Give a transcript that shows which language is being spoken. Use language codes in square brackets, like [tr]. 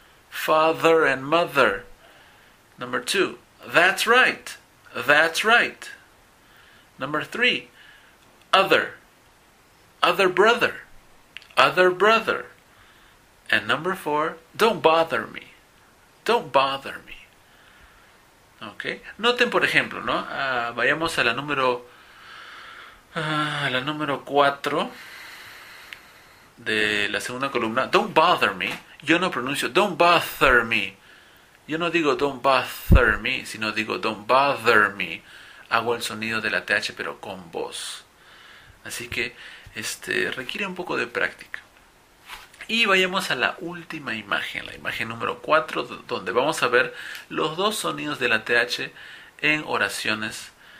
[en] Father and mother. Number 2. That's right. That's right. Number 3. Other. Other brother. Other brother. And number 4. Don't bother me. Don't bother me. Okay. [es] Noten, por ejemplo, ¿no? Vayamos a la número 4 de la segunda columna. [en] Don't bother me. [es] Yo no pronuncio don't bother me. Yo no digo [en] don't bother me, [es] sino digo don't bother me. Hago el sonido de la TH, pero con voz. Así que requiere un poco de práctica. Y vayamos a la última imagen, la imagen número 4, donde vamos a ver los dos sonidos de la TH en oraciones.